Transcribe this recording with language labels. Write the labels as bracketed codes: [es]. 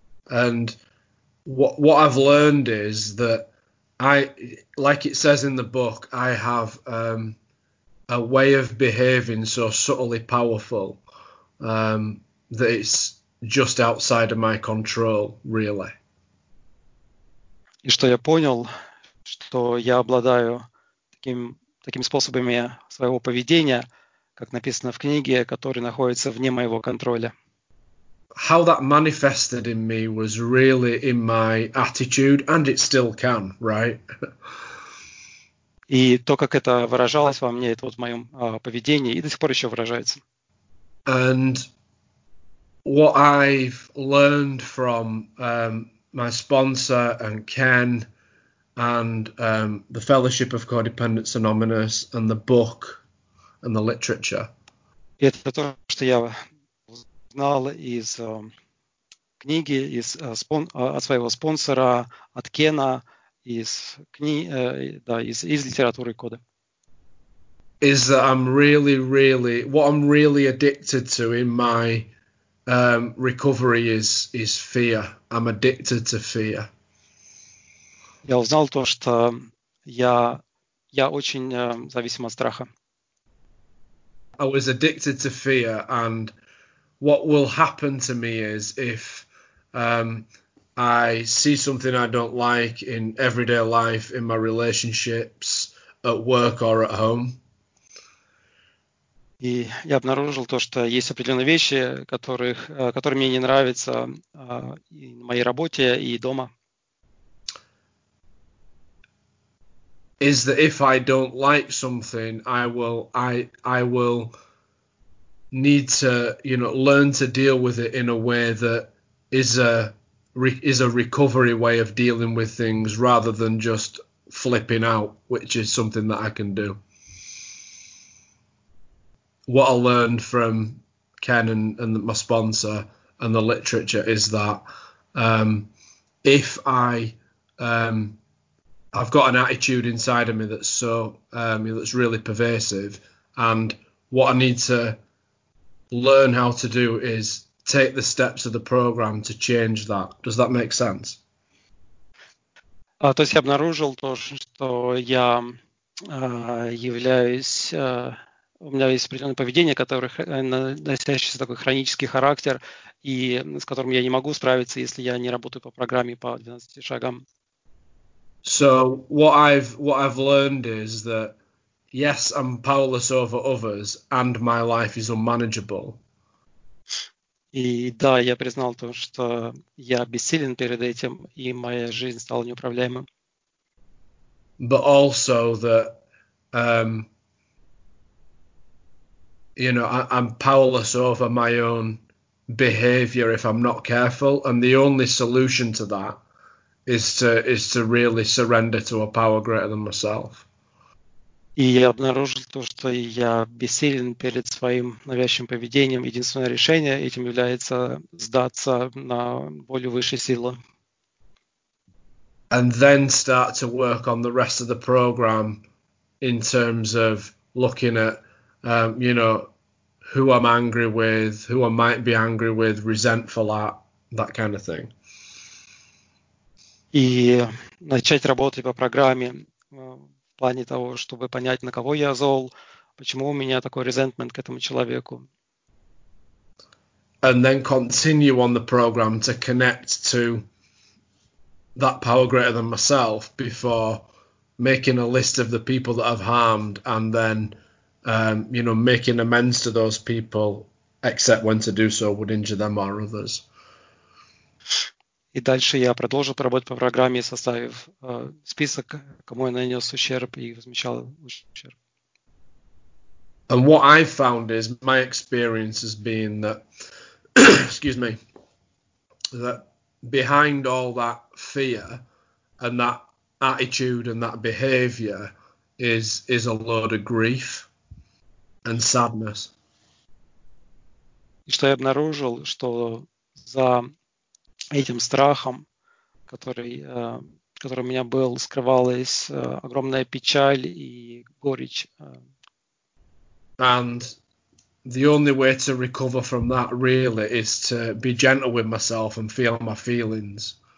[en] And what I've learned is that I, like it says in the book, I have a way of behaving so subtly powerful that it's just outside of my control, really. [ru] И что я понял, что я обладаю таким способами своего поведения, как написано в книге, которые находятся вне моего контроля. [en] How that manifested in me was really in my attitude, and it still can, right? [ru] И то, как это выражалось во мне, это вот в моем поведении, и до сих пор еще выражается. [en] And what I've learned from my sponsor and Ken and the Fellowship of Codependence Anonymous and the book and the literature. [ru] Это то, что я знал из книги, из от своего спонсора, от Кена, из из литературы кода. [en] Is that I'm really, really, what I'm really addicted to in my recovery is fear. I'm addicted to fear. [ru] Я узнал то, что я очень зависим от страха. [en] I was addicted to fear, and what will happen to me is if I see something I don't like in everyday life, in my relationships, at work or at home. [ru] И я обнаружил то, что есть определенные вещи, которые мне не нравятся и на моей работе, и дома. [en] Is that if I don't like something, I will need to, you know, learn to deal with it in a way that is a recovery way of dealing with things rather than just flipping out, which is something that I can do. What I learned from Ken and my sponsor and the literature is that I've got an attitude inside of me that's so that's really pervasive, and what I need to learn how to do is take the steps of the program to change that. Does that make sense? [ru] То есть я обнаружил то, что я являюсь, у меня есть определенное поведение, которое носящее такой хронический характер, и с которым я не могу справиться, если я не работаю по программе по 12 шагам. [en] So what I've learned is that yes, I'm powerless over others, and my life is unmanageable. [ru] И да, я признал то, что я бессилен перед этим, и моя жизнь стала неуправляемой. [en] But also that I'm powerless over my own behavior if I'm not careful, and the only solution to that is to really surrender to a power greater than myself. [ru] И я обнаружил то, что я бессилен перед своим навязчивым поведением. Единственное решение этим является сдаться на волю высшей силы. [en] And then start to work on the rest of the program in terms of looking at, who I'm angry with, who I might be angry with, resentful at, that kind of thing. [ru] И начать работать по программе в плане того, чтобы понять, на кого я зол, почему у меня такой resentment к этому человеку. [en] And then continue on the program to connect to that power greater than myself before making a list of the people that I've harmed and then, making amends to those people, except when to do so would injure them or others. [ru] И дальше я продолжил поработать по программе, составив список, кому я нанес ущерб и возмещал ущерб. [en] And what I found is my experience has been that, excuse me, that behind all that fear and that attitude and that behavior is a load of grief and sadness. [ru] И что я обнаружил, что за этим страхом, который у меня был, скрывалась огромная печаль и горечь. [en] And the only way to recover from that really is to be gentle with myself and feel my feelings.